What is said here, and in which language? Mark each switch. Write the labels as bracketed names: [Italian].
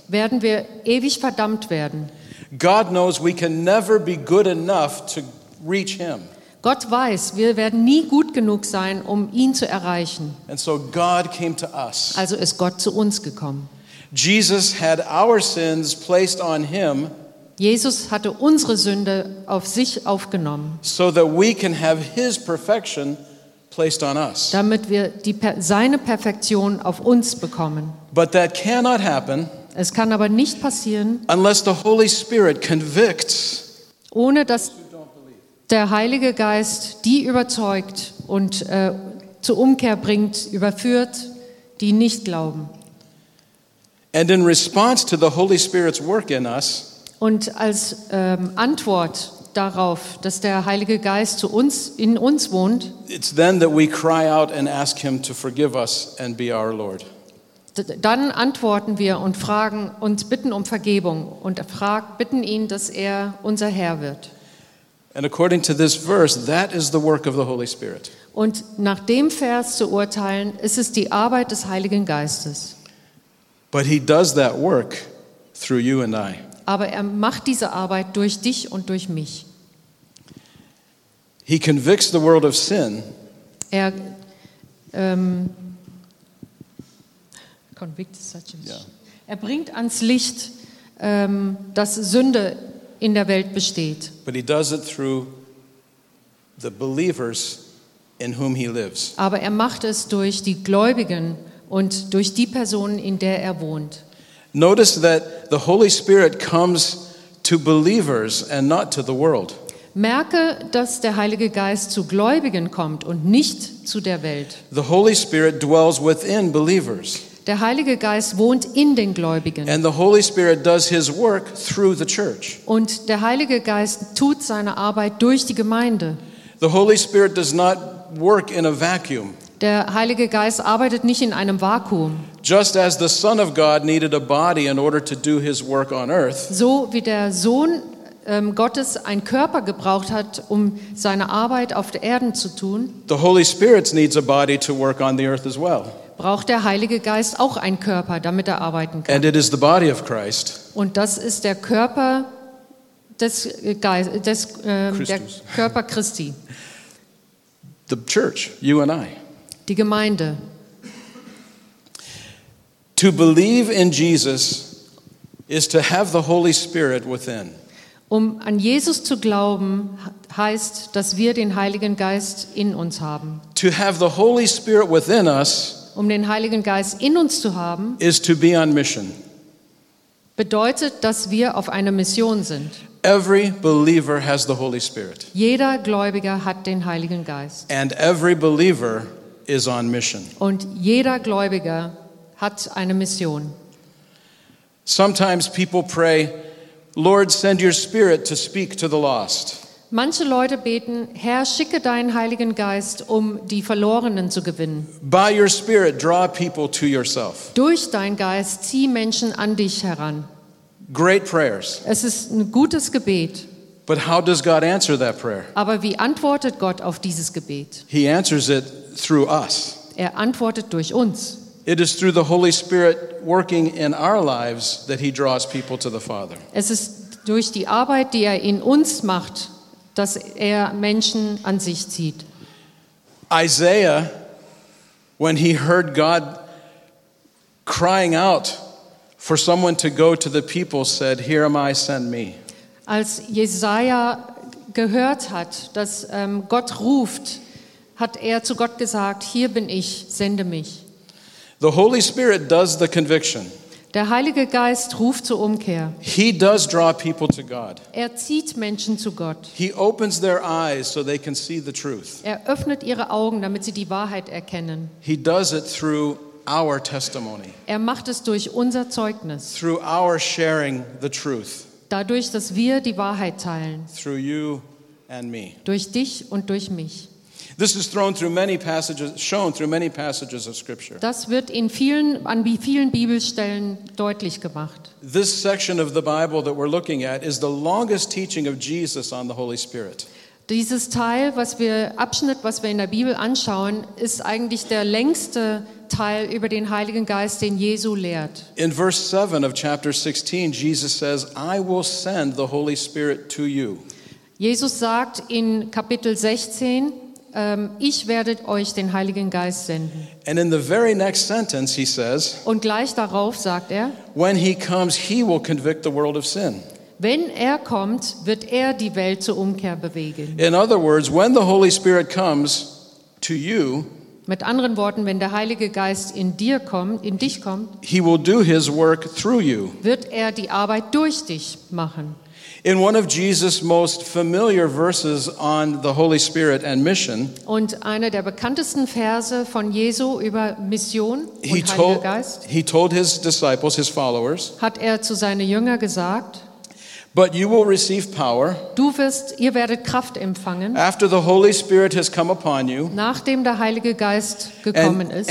[German] Werden wir ewig verdammt werden. [English] God knows we can never be good enough to reach him. [German] Gott weiß, wir werden nie gut genug sein, um ihn zu erreichen. [English] And so God came to us. [German] Also ist Gott zu uns gekommen. [English] Jesus had our sins placed on him. [German] Jesus hatte unsere Sünde auf sich aufgenommen. [English] So that we can have his perfection placed on us. [German] Damit wir seine Perfektion auf uns bekommen. [English] But that cannot happen. [German] Es kann aber nicht passieren. [English] Unless the Holy Spirit convicts. [German] Ohne dass der Heilige Geist die überzeugt und zur Umkehr bringt, überführt, die nicht glauben. [English] And in response to the Holy Spirit's work in us. [German] Und als Antwort darauf, dass der Heilige Geist zu uns in uns wohnt. [English] It's then that we cry out and ask him to forgive us and be our Lord. [German] Dann antworten wir und fragen und bitten um Vergebung und bitten ihn, dass er unser Herr wird. [English] And according to this verse, that is the work of the Holy Spirit. [German] Und nach dem Vers zu urteilen, ist es die Arbeit des Heiligen Geistes. [English] But he does that work through you and I. [German] Aber er macht diese Arbeit durch dich und durch mich. [English] He convicts the world of sin. [German] Er [English] convicts such as. [German] Er bringt ans Licht, dass Sünde in der Welt besteht. [English] But he does it through the believers in whom he lives. [German] Aber er macht es durch die Gläubigen und durch die Personen, in der er wohnt. [English] Notice that the Holy Spirit comes to believers and not to the world. [German] Merke, dass der Heilige Geist zu Gläubigen kommt und nicht zu der Welt. [English] The Holy Spirit dwells within believers. [German] Der Heilige Geist wohnt in den Gläubigen. [English] And the Holy Spirit does his work through the church. [German] Und der Heilige Geist tut seine Arbeit durch die Gemeinde. [English] The Holy Spirit does not work in a vacuum. [German] Der Heilige Geist arbeitet nicht in einem Vakuum. [English] Just as the Son of God needed a body in order to do his work on earth. [German] So wie der Sohn Gottes einen Körper gebraucht hat, um seine Arbeit auf der Erde zu tun. [English] The Holy Spirit needs a body to work on the earth as well. [German] Braucht der Heilige Geist auch einen Körper, damit er arbeiten kann. [English] And it is the body of Christ. [German] Und das ist der Körper des Geistes, der Körper Christi. [English] The church, you and I. [German] Die Gemeinde. [English] To believe in Jesus is to have the Holy Spirit within. [German] Um an Jesus zu glauben, heißt, dass wir den Heiligen Geist in uns haben. [English] To have the Holy Spirit within us, [German] um den Heiligen Geist in uns zu haben, [English] is to be on mission. [German] Bedeutet, dass wir auf einer Mission sind. [English] Every believer has the Holy Spirit. [German] Jeder Gläubige hat den Heiligen Geist. [English] And every believer is on mission. [German] Und jeder Gläubige hat eine Mission. [English] Sometimes people pray, Lord, send your spirit to speak to the lost. [German] Manche Leute beten, Herr, schicke deinen Heiligen Geist, um die Verlorenen zu gewinnen. [English] By your spirit, draw people to yourself. [German] Durch deinen Geist zieh Menschen an dich heran. [English] Great prayers. [German] Es ist ein gutes Gebet. [English] But how does God answer that prayer? [German] Aber wie antwortet Gott auf dieses Gebet? [English] He answers it through us. [German] Er antwortet durch uns. [English] It is through the Holy Spirit working in our lives that he draws people to the Father. [German] Es ist durch die Arbeit, die er in uns macht, dass er Menschen an sich zieht. [English] Isaiah, when he heard God crying out for someone to go to the people, said, "Here am I, send me." [German] Als Jesaja gehört hat, dass Gott ruft, hat er zu Gott gesagt, "Hier bin ich, sende mich." [English] The Holy Spirit does the conviction. [German] Der Heilige Geist ruft zur Umkehr. [English] He does draw people to God. [German] Er zieht Menschen zu Gott. [English] He opens their eyes so they can see the truth. [German] Er öffnet ihre Augen, damit sie die Wahrheit erkennen. [English] He does it through our testimony. [German] Er macht es durch unser Zeugnis. [English] Through our sharing the truth. [German] Dadurch, dass wir die Wahrheit teilen. [English] Through you and me. [German] Durch dich und durch mich. [English] This is thrown through many passages, shown through many passages of Scripture. [German] Das wird in vielen, an wie vielen Bibelstellen deutlich gemacht. [English] This section of the Bible that we're looking at is the longest teaching of Jesus on the Holy Spirit. [German] Dieses Teil, was wir in der Bibel anschauen, ist eigentlich der längste Teil über den Heiligen Geist, den Jesu lehrt. [English] In verse 7 of chapter 16, Jesus says, "I will send the Holy Spirit to you." [German] Jesus sagt in Kapitel 16, ich werde euch den Heiligen Geist senden. [English] And in the very next sentence he says, [German] und gleich darauf sagt er, [English] when he comes, he will convict the world of sin. [German] Wenn er kommt, wird er die Welt zur Umkehr bewegen. [English] In other words, when the Holy Spirit comes to you, [German] mit anderen Worten, wenn der Heilige Geist in dir kommt, in dich kommt, [English] he will do his work through you. [German] Wird er die Arbeit durch dich machen. [English] In one of Jesus' most familiar verses on the Holy Spirit and mission, [German] und einer der bekanntesten Verse von Jesu über Mission und Heiliger Geist, [English] he told his disciples, his followers, [German] hat er zu seinen Jüngern gesagt, [English] "But you will receive power. [German] Ihr werdet Kraft empfangen. [English] After the Holy Spirit has come upon you, [German] nachdem der Heilige Geist gekommen ist,